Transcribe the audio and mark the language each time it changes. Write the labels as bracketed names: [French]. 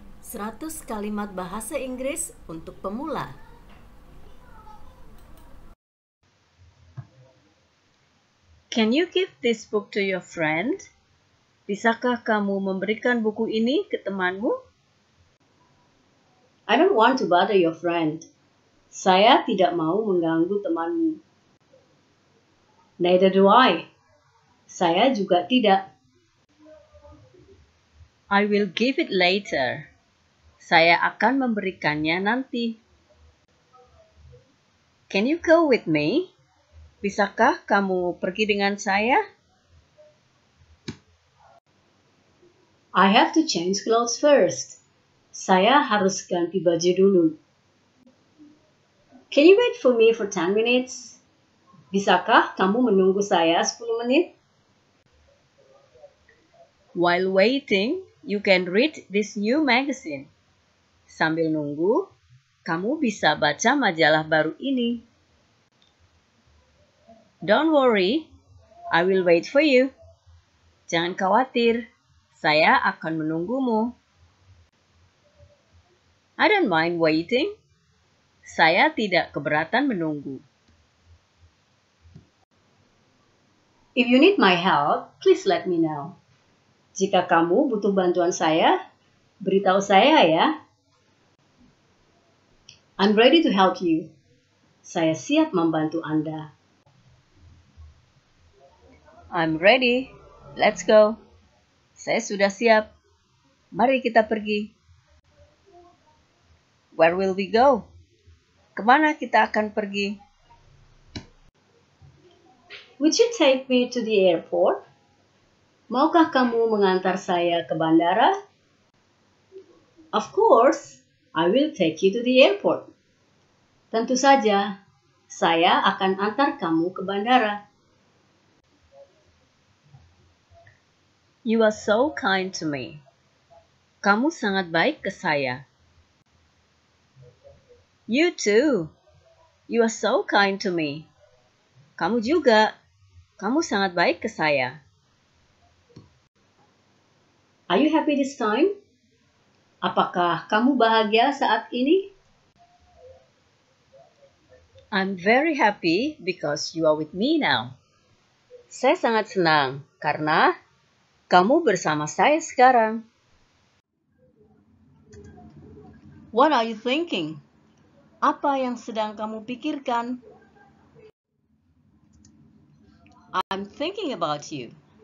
[Indonesian] 100 kalimat bahasa Inggris untuk pemula. [English] Can you give this book to your friend? [Indonesian] Bisakah kamu memberikan buku ini ke temanmu? [English] I don't want to bother your friend. [Indonesian] Saya tidak mau mengganggu temanmu. [English] Neither do I. [Indonesian] Saya juga tidak. [English] I will give it later. [Indonesian] Saya akan memberikannya nanti. [English] Can you go with me? [Indonesian] Bisakah kamu pergi dengan saya? [English] I have to change clothes first. [Indonesian] Saya harus ganti baju dulu. [English] Can you wait for me for 10 minutes? [Indonesian] Bisakah kamu menunggu saya 10 menit? [English] While waiting, you can read this new magazine. [Indonesian] Sambil nunggu, kamu bisa baca majalah baru ini. [English] Don't worry, I will wait for you. [Indonesian] Jangan khawatir, saya akan menunggumu. [English] I don't mind waiting. [Indonesian] Saya tidak keberatan menunggu. [English] If you need my help, please let me know. [Indonesian] Jika kamu butuh bantuan saya, beritahu saya ya. [English] I'm ready to help you. [Indonesian] Saya siap membantu Anda. [English] I'm ready. Let's go. [Indonesian] Saya sudah siap. Mari kita pergi. [English] Where will we go? [Indonesian] Kemana kita akan pergi? [English] Would you take me to the airport? [Indonesian] Maukah kamu mengantar saya ke bandara? [English] Of course, I will take you to the airport. [Indonesian] Tentu saja, saya akan antar kamu ke bandara. [English] You are so kind to me. [Indonesian] Kamu sangat baik ke saya. [English] You too. You are so kind to me. [Indonesian] Kamu juga. Kamu sangat baik ke saya. [English] Are you happy this time? [Indonesian] Apakah kamu bahagia saat ini? [English] I'm very happy because you are with me now. [Indonesian] Saya sangat senang karena kamu bersama saya sekarang. [English] What are you thinking? [Indonesian] Apa yang sedang kamu pikirkan? [English] I'm thinking about you.